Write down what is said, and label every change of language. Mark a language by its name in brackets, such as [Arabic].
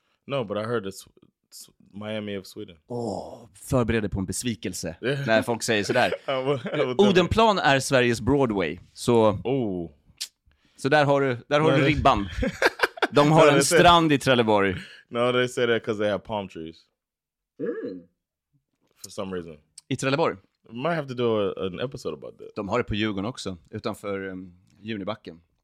[English] No, but I heard it's Miami of Sweden. [Swedish] Åh, förbered dig på en besvikelse när folk säger sådär. Odenplan är Sveriges Broadway. Så så där har du ribban. De har en strand i Trelleborg. [English] No, they say that because they have palm trees. For some reason. [Swedish] I Trelleborg. [English] We might have to do an episode about that. [Swedish] De har det på Djurgården också, utanför Junibacken.